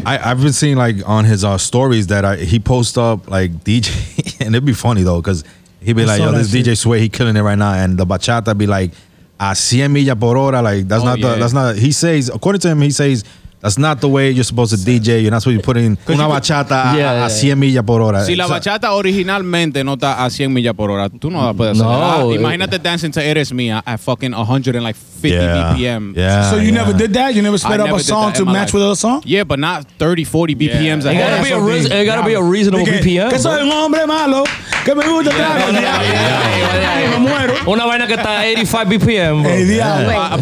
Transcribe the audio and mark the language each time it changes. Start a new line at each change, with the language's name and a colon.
English: I've been seeing like on his stories that he posts up like DJ, and it'd be funny though because he'd be like, yo, this DJ Sway, he killing it right now. And the bachata be like,
Spanish: a 100 milla por hora.
English: Like, that's he says, according to him, he says, that's not the way you're supposed to DJ. You're not supposed to put in
Spanish: una bachata a 100 milla por hora. Si la bachata originalmente no está a 100 milla por hora, tú no la puedes hacer. No. Imagínate
English: dancing to Eres Mía at fucking 150 BPM. Yeah, so you yeah. never did that? You never sped up a song to match with a song? Yeah, but not 30-40 BPMs. Yeah. It gotta be a reasonable BPM.
Spanish: Que soy un hombre malo. Que me gusta el trago. Una vaina que está 85 BPM.